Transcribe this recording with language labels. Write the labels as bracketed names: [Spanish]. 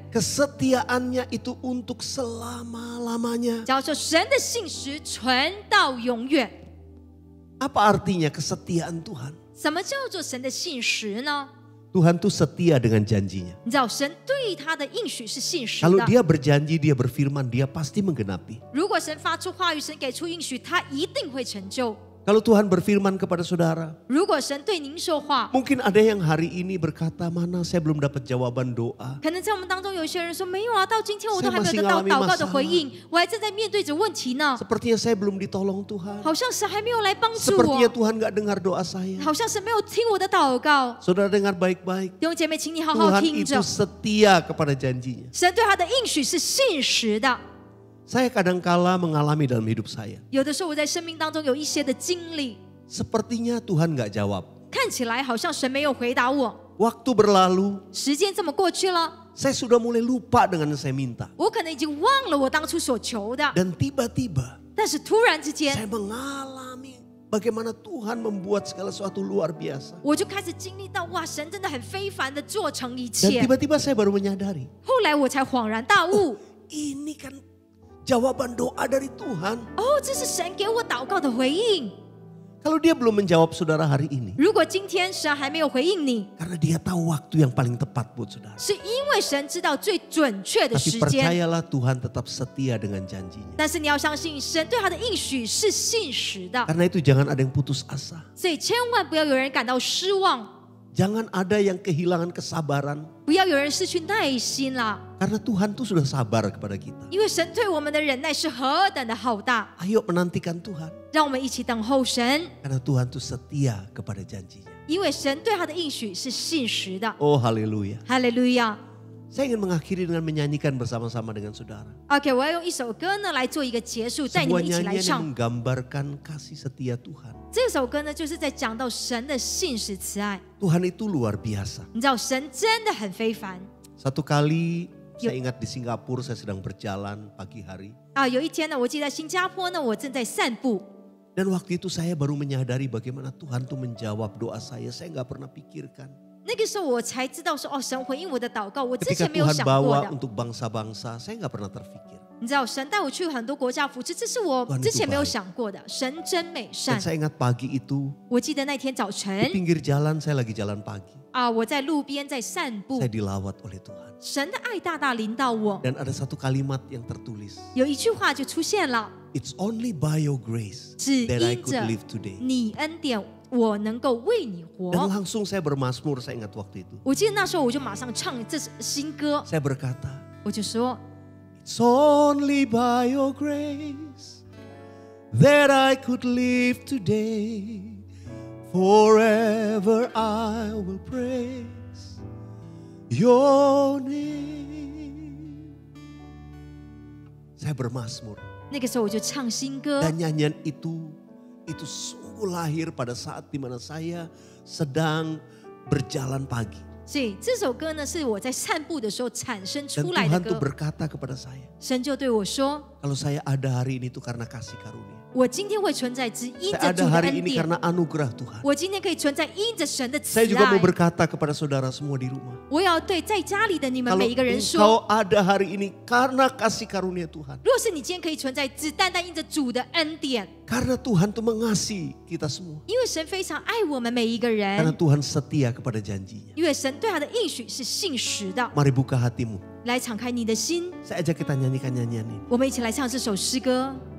[Indonesian] Kesetiaannya itu untuk selama-lamanya. [Chinese] 假如说神的信实存到永远。 [Indonesian] Apa artinya kesetiaan Tuhan? [Chinese] 什么叫做神的信实呢？ [Indonesian] Tuhan itu setia dengan janjinya. [Chinese] 你知道神对他的应许是信实的。 [Indonesian] Kalau dia berjanji, dia berfirman, dia pasti menggenapi. [Chinese] 如果神发出话语，神给出应许，他一定会成就。 [Indonesian] Kalau Tuhan berfirman kepada saudara, [Chinese] 如果神对您说话, [Indonesian] mungkin ada yang hari ini berkata, mana saya belum dapat jawaban doa. [Chinese] 可能在我们当中有些人说，没有啊，到今天我都还没有得到祷告的回应，我还正在面对着问题呢。 [Indonesian] Sepertinya saya belum ditolong Tuhan. [Chinese] 好像神还没有来帮助我。 [Indonesian] Sepertinya Tuhan enggak dengar doa saya. [Chinese] 好像神没有听我的祷告。 [Indonesian] Saudara dengar baik-baik. [Chinese] 弟兄姐妹，请你好好听着。 [Indonesian] Tuhan itu setia kepada janjinya. [Chinese] 神对他的应许是信实的。 [Indonesian] Saya kadangkala mengalami dalam hidup saya. [Chinese] 有的时候我在生命当中有一些的经历. [Indonesian] Sepertinya Tuhan enggak jawab. [Chinese] 看起来好像神没有回答我. [Indonesian] Waktu berlalu. [Chinese] 时间这么过去了. [Indonesian] Saya sudah mulai lupa dengan yang saya minta. [Chinese] 我可能已经忘了我当初所求的. [Indonesian] Dan tiba-tiba. [Chinese] 但是突然之间. [Indonesian] Saya mengalami bagaimana Tuhan membuat segala sesuatu luar biasa. [Chinese] 我就开始经历到, 哇, 神真的很非凡地做成一切. [Indonesian] Dan tiba-tiba saya baru menyadari. [Chinese] 后来我才恍然大悟. [Indonesian] Oh, ini kan jawaban doa dari Tuhan. [Chinese] Oh, 这是神给我祷告的回应. [Indonesian] Kalau dia belum menjawab saudara hari ini. [Chinese] 如果今天神还没有回应你, [Indonesian] karena dia tahu waktu yang paling tepat buat saudara. [Chinese] 是因为神知道最准确的时间. [Indonesian] Tapi percayalah Tuhan tetap setia dengan janjinya. [Chinese] 但是你要相信神对他的应许是信实的. [Indonesian] Karena itu jangan ada yang putus asa. [Chinese] 所以千万不要有人感到失望. [Indonesian] Jangan ada yang kehilangan kesabaran. [Chinese] 不要有人失去耐心了. [Indonesian] Karena Tuhan itu sudah sabar kepada kita. [Chinese] 因为神对我们的忍耐是何等的浩大. [Indonesian] Ayo menantikan Tuhan. [Chinese] 让我们一起等候神. [Indonesian] Karena Tuhan itu setia kepada janjinya. [Chinese] 因为神对他的应许是信实的. [Indonesian] Oh, haleluya. [Chinese] Haleluya. [Indonesian] Saya ingin mengakhiri dengan menyanyikan bersama-sama dengan saudara. [Chinese] Okay, 我要用一首歌呢来做一个结束. 带你们一起来唱. [Indonesian] Semua nyanyian menggambarkan kasih setia Tuhan. [Chinese] 这首歌呢就是在讲到神的信实慈爱. [Indonesian] Tuhan itu luar biasa. [Chinese] 你知道神真的很非凡. [Indonesian] Satu kali saya ingat di Singapura saya sedang berjalan pagi hari. [Chinese] 有一天呢我记得在新加坡呢我正在散步. [Indonesian] Dan waktu itu saya baru menyadari bagaimana Tuhan itu menjawab doa saya enggak pernah pikirkan. [Chinese] 那个时候我才知道说, 哦, 神回应我的祷告, 我之前没有想过的. [Indonesian] Ketika Tuhan bawa untuk bangsa-bangsa, saya enggak pernah terpikir. [Chinese] 你知道神带我去很多国家扶持, 这是我之前没有想过的. 神真美善. [Indonesian] Dan saya ingat pagi itu, [Chinese] 我记得那天早晨, [Indonesian] di pinggir jalan saya lagi jalan pagi. [Chinese] 啊, 我在路边在散步. [Indonesian] Saya dilawat oleh Tuhan. [Chinese] 神的爱大大临到我. [Indonesian] Dan ada satu kalimat yang tertulis. [Chinese] 有一句话就出现了. [English] It's only by your grace that I could live today. [Chinese] 你恩典, 我能够为你活. [Indonesian] Dan langsung saya bermazmur, saya ingat waktu itu. [Chinese] 我记得那时候我就马上唱这新歌. [Indonesian] Saya berkata, [Chinese] 我就说, [English] it's only by your grace that I could live today. Forever I will praise your name. [Indonesian] Saya bermazmur. [Chinese] 那个时候我就唱新歌. [Indonesian] Dan nyanyian itu sungguh lahir pada saat di mana saya sedang berjalan pagi. [Chinese] 所以这首歌呢是我在散步的时候产生出来的歌. [Indonesian] Dan Tuhan tuh berkata kepada saya. [Chinese] 神就对我说. [Indonesian] Kalau saya ada hari ini tuh karena kasih karunia. [Chinese] 我今天会存在只因着主的恩典. [Indonesian] Saya ada hari ini karena anugerah Tuhan. [Chinese] 我今天可以存在因着神的慈爱. [Indonesian] Saya juga mau berkata kepada saudara semua di rumah. [Chinese] 我要对在家里的你们每一个人说. [Indonesian] Kalau engkau ada hari ini karena kasih karunia Tuhan. [Chinese] 若是你今天可以存在只单单因着主的恩典. [Indonesian] Karena Tuhan tuh mengasihi kita semua. [Chinese] 因为神非常爱我们每一个人. [Indonesian] Karena Tuhan setia kepada janjinya. [Chinese] 因为神对他的应许是信实的. [Indonesian] Mari buka hatimu. [Chinese] 来敞开你的心. [Indonesian] Saya ajak kita nyanyikan nyanyian ini. [Chinese] 我们一起来唱这首诗歌.